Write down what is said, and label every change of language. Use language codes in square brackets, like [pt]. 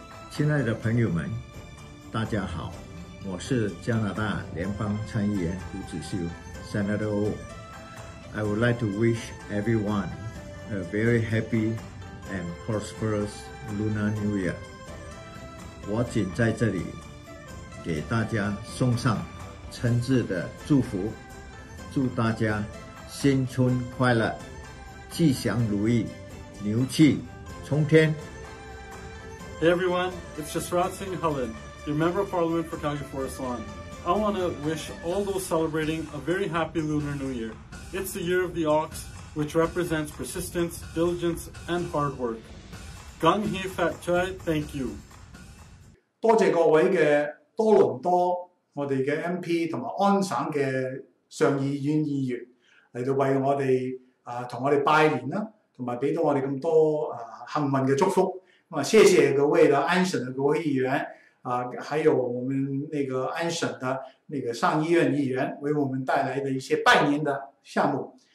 [zh] 亲爱的朋友们，大家好，我是加拿大联邦参议员胡子修 Senator O. [en] I would like to wish everyone a very happy and prosperous Lunar New Year. [zh] 我仅在这里给大家送上诚挚的祝福，祝大家新春快乐，吉祥如意，牛气冲天。 [en] Hey everyone, it's Jasrat Singh Halid, your Member of Parliament for Calgary Forest Lawn. I want to wish all those celebrating a very happy Lunar New Year. It's the Year of the Ox, which represents persistence, diligence, and hard work. Gong Hei Fat Choi, thank you. [zh] 多謝各位的多倫多我們的 MP 和安省的上議院議員來到為我們和我們拜年和給到我們這麼多幸運的祝福谢谢各位的安省的国会议员、还有我们那个安省的那个上议院议员为我们带来的一些拜年的项目。